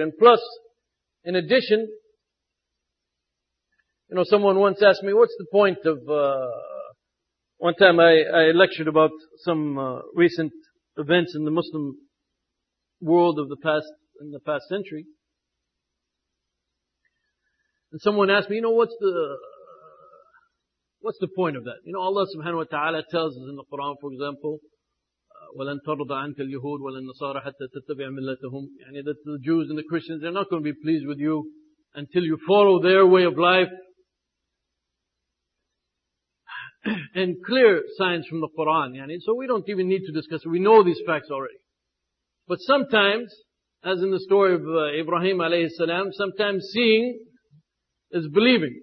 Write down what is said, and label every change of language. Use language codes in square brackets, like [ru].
[en] And plus, in addition, you know, someone once asked me, what's the point of, one time I lectured about some recent events in the Muslim world in the past century. And someone asked me, you know, what's the point of that? You know, Allah subhanahu wa ta'ala tells us in the Quran, for example, [ar] ولن ترضى عنك اليهود ولا النصارى حتى تتبع ملتهم. [en] يعني that the Jews and the Christians, they're not going to be pleased with you until you follow their way of life. And clear signs from the Quran. يعني, so we don't even need to discuss it. We know these facts already. But sometimes, as in the story of Ibrahim alayhi salam, sometimes seeing is believing.